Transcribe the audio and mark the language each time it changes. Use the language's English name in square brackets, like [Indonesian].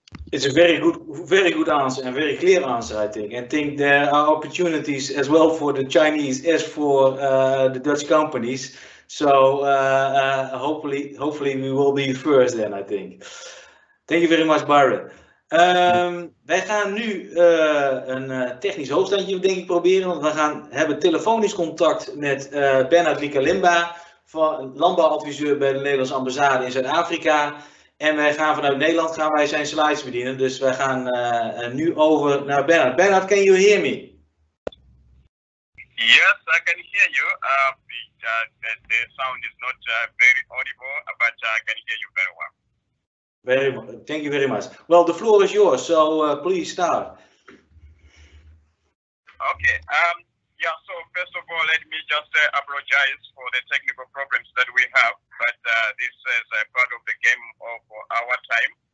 [English] It's a very good answer and very clear answer, I think. I think there are opportunities as well for the Chinese as for the Dutch companies. So hopefully we will be first then, I think. Thank you very much, Byron. [Dutch] Wij gaan nu een technisch hoofdstandje denk ik proberen, want we gaan hebben telefonisch contact met Bernard Likalimba, van landbouwadviseur bij de Nederlandse ambassade in Zuid-Afrika. En wij gaan vanuit Nederland gaan wij zijn slides bedienen, dus wij gaan nu over naar Bernard. [English] Bernard, can you hear me? Yes, I can hear you. The sound is not very audible, but I can hear you very well. Very much. Thank you very much. Well, the floor is yours, so please start. Okay. So first of all, let me just apologize for the technical problems that we have, but this is a part of the game of our time.